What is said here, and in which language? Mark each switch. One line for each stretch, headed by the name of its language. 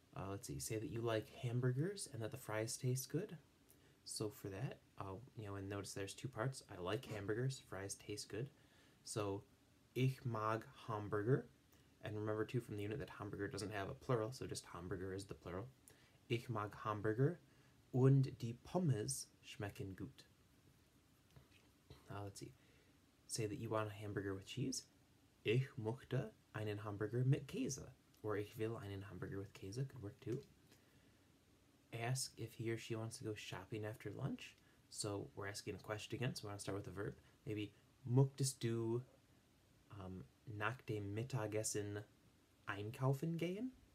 English: Let's see, say that you like hamburgers and that the fries taste good. So for that, and notice there's two parts. I like hamburgers, fries taste good. So,
German: ich mag Hamburger.
English: And remember too from the unit that hamburger doesn't have a plural, so just hamburger is the plural.
German: Ich mag Hamburger und die Pommes schmecken gut.
English: Let's see. Say that you want a hamburger with cheese.
German: Ich möchte einen Hamburger mit Käse. Or ich will einen Hamburger with Käse.
English: Could work too. Ask if he or she wants to go shopping after lunch. So we're asking a question again. So we want to start with a verb.
German: Maybe möchtest du nach dem Mittagessen einkaufen gehen?